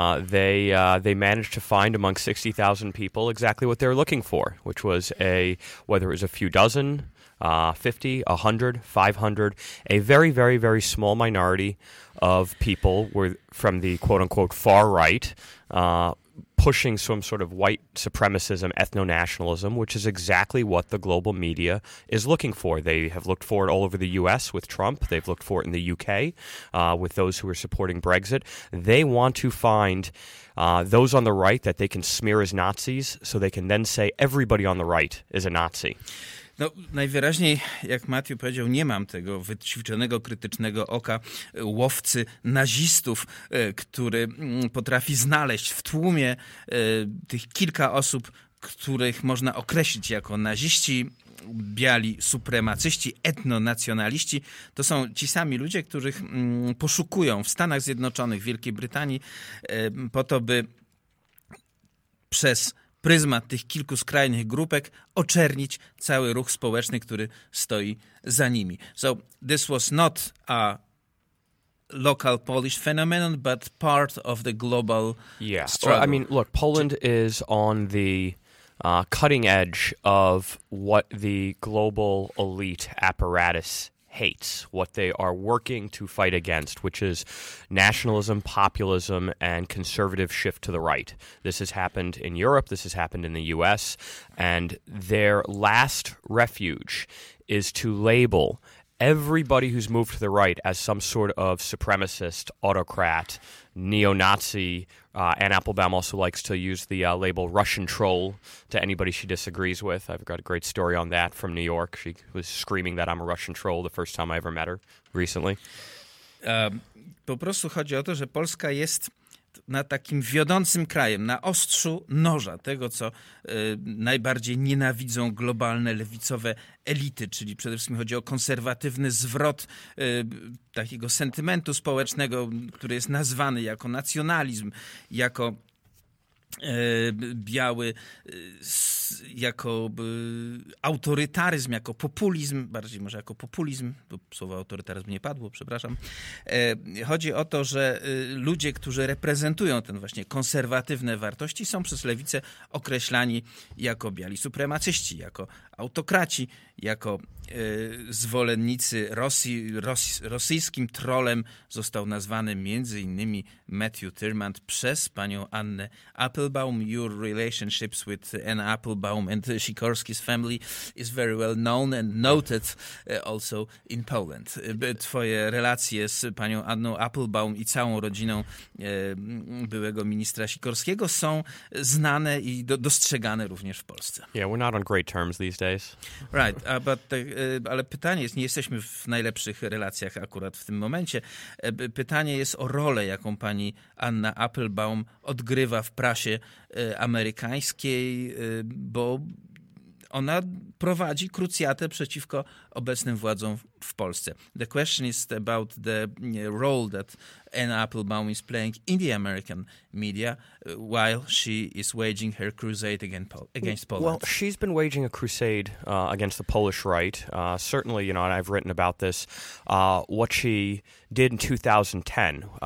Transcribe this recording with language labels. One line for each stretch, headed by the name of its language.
English: They managed to find among 60,000 people exactly what they were looking for, which was a, whether it was a few dozen, 50, 100, 500, a very, very, very small minority of people were from the quote-unquote far right, pushing some sort of white supremacism, ethno-nationalism, which is exactly what the global media is looking for. They have looked for it all over the U.S. with Trump. They've looked for it in the U.K. With those who are supporting Brexit. They want to find those on the right that they can smear as Nazis, so they can then say everybody on the right is a Nazi.
Polish: No, najwyraźniej, jak Matthew powiedział, nie mam tego wyćwiczonego krytycznego oka łowcy nazistów, który potrafi znaleźć w tłumie tych kilka osób, których można określić jako naziści, biali supremacyści, etnonacjonaliści. To są ci sami ludzie, których poszukują w Stanach Zjednoczonych, w Wielkiej Brytanii, po to, by przez pryzmat tych kilku skrajnych grupek oczernić cały ruch społeczny, który stoi za nimi.
English: So this was not a local Polish phenomenon, but part of the global struggle. Well, I mean, look, Poland is on the cutting edge of what the global elite apparatus hates, what they are working to fight against, which is nationalism, populism, and conservative shift to the right. This has happened in Europe, this has happened in the US, and their last refuge is to label everybody who's moved to the right as some sort of supremacist, autocrat, neo-Nazi. Ann Applebaum also likes to use the label Russian troll to anybody she disagrees with. I've got a great story on that from New York. She was screaming that I'm a Russian troll the first time I ever met her recently.
Polish: Po prostu chodzi o to, że Polska jest na takim wiodącym krajem, na ostrzu noża tego, co najbardziej nienawidzą globalne lewicowe elity, czyli przede wszystkim chodzi o konserwatywny zwrot takiego sentymentu społecznego, który jest nazwany jako nacjonalizm, jako biały, jako autorytaryzm, jako populizm, bardziej może jako populizm, bo słowo autorytaryzm nie padło, przepraszam. Chodzi o to, że ludzie, którzy reprezentują ten właśnie konserwatywne wartości, są przez lewicę określani jako biali supremacyści, jako autokraci, jako zwolennicy Rosji, rosyjskim trolem został nazwany między innymi Matthew Tyrmand przez panią Annę Applebaum.
English: Your relationships with Anne Applebaum and Sikorski's family is very well known and noted also in Poland.
Polish: Twoje relacje z panią Anną Applebaum i całą rodziną byłego ministra Sikorskiego są znane i dostrzegane również w Polsce.
English: Yeah, we're not on great terms these days.
Polish: Right, ale pytanie jest, nie jesteśmy w najlepszych relacjach akurat w tym momencie. Pytanie jest o rolę, jaką pani Anna Applebaum odgrywa w prasie amerykańskiej, bo ona prowadzi krucjatę przeciwko obecnym władzom w Polsce.
English: The question is about the role that Anna Applebaum is playing in the American media while she is waging her crusade against Poland. Well, she's been waging a crusade against the Polish right. Certainly, you know, and I've written about this, what she did in 2010.